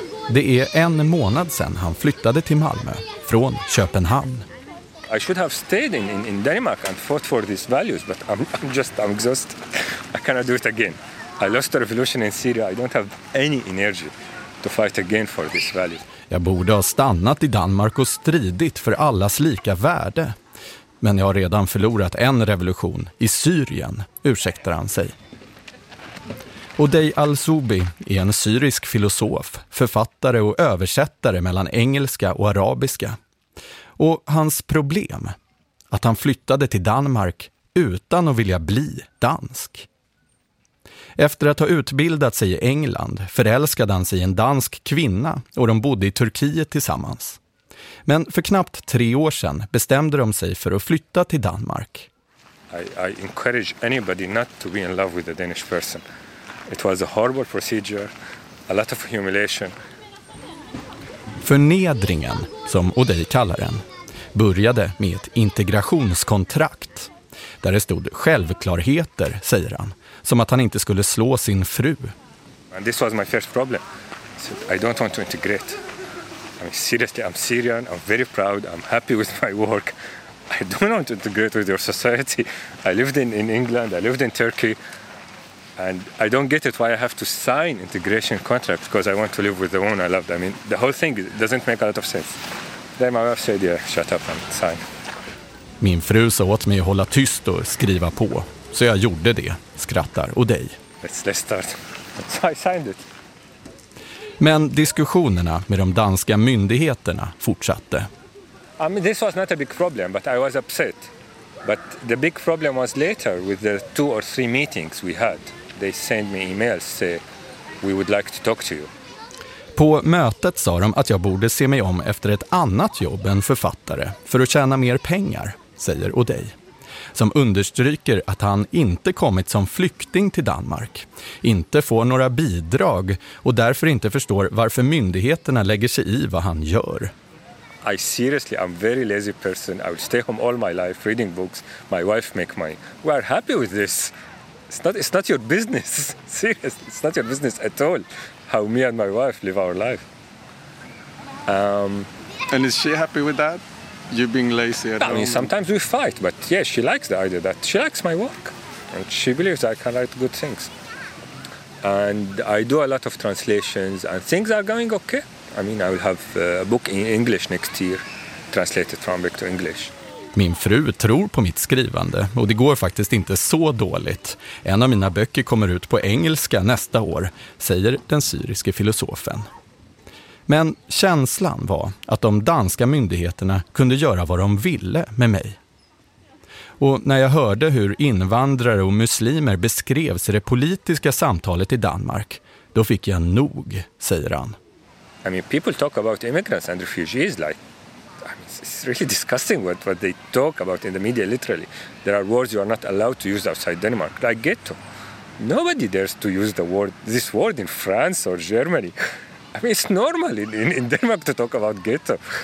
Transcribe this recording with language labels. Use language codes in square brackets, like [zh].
[sv] Det är en månad sedan han flyttade till Malmö från Köpenhamn. [en] I should have stayed in Denmark and fought for these values, but I'm exhausted. I cannot do it again. I lost the revolution in Syria. I don't have any energy to fight again for these values. [sv] Jag borde ha stannat i Danmark och stridit för allas lika värde. Men jag har redan förlorat en revolution i Syrien, ursäktar han sig. Odey al-Zoubi är en syrisk filosof, författare och översättare mellan engelska och arabiska. Och hans problem, att han flyttade till Danmark utan att vilja bli dansk. Efter att ha utbildat sig i England förälskade han sig i en dansk kvinna och de bodde i Turkiet tillsammans. Men för knappt 3 år sedan bestämde de sig för att flytta till Danmark. [en] I encourage anybody not to be in love with a Danish person. It was a horrible procedure, a lot of humiliation. [sv] Förnedringen, som Odey kallar den, började med ett integrationskontrakt. Där det stod självklarheter, säger han, som att han inte skulle slå sin fru. [en] And this was my first problem. So I don't want to integrate. I mean, seriously, I'm Syrian, I'm very proud, I'm happy with my work. I don't want to integrate with your society. I lived in England, I lived in Turkey. And I don't get it why I have to sign integration contract because I want to live with the woman I loved. I mean, the whole thing doesn't make a lot of sense. Then my wife said, yeah, shut up and sign. [sv] Min fru sa åt mig att hålla tyst och skriva på. Så jag gjorde det, skrattar Odey. [en] Let's start. So I signed it. [sv] Men diskussionerna med de danska myndigheterna fortsatte. [en] I mean, this was not a big problem, but I was upset. But the big problem was later with the 2 or 3 meetings we had. They sent me emails saying we would like to talk to you. [sv] På mötet sa de att jag borde se mig om efter ett annat jobb än författare för att tjäna mer pengar, säger Odey. Som understryker att han inte kommit som flykting till Danmark, inte får några bidrag och därför inte förstår varför myndigheterna lägger sig i vad han gör. [en] I seriously, I'm very lazy person. I will stay home all my life reading books. My wife make money. We are happy with this. It's not your business. Seriously, it's not your business at all how me and my wife live our life. And is she happy with that? You being lazy at home? I mean, sometimes we fight, but yeah, she likes the idea that she likes my work. And she believes I can write good things. And I do a lot of translations and things are going okay. I mean, I will have a book in English next year, translated from Arabic to English. [sv] Min fru tror på mitt skrivande och det går faktiskt inte så dåligt. En av mina böcker kommer ut på engelska nästa år, säger den syriske filosofen. Men känslan var att de danska myndigheterna kunde göra vad de ville med mig. Och när jag hörde hur invandrare och muslimer beskrevs i det politiska samtalet i Danmark, då fick jag nog, säger han. [en] I mean, people talk about immigrants and refugees like, I mean, it's really disgusting what they talk about in the media, literally. There are words you are not allowed to use outside Denmark, like ghetto. Nobody dares to use this word in France or Germany. I mean, it's normal in Denmark to talk about ghetto.